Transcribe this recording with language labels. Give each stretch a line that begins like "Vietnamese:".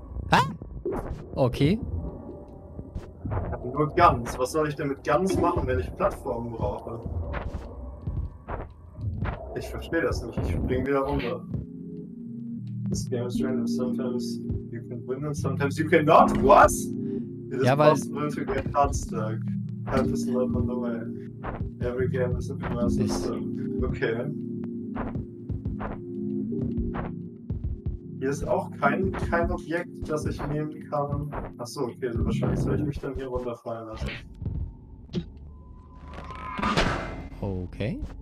German: Hä? Okay. Ich hab nur Guns. Was soll ich denn mit Guns machen, wenn ich Plattformen brauche? Ich verstehe das nicht. Ich spring wieder runter.
English: This game is random. Sometimes you can win and sometimes you cannot.
German: Was?
English: It is possible to get hard stuck. Help is not on the way. Every game is a reverse system. Okay.
German: Hier ist auch kein Objekt, das ich nehmen kann. Achso, okay, also wahrscheinlich soll ich mich dann hier runterfallen lassen. Okay.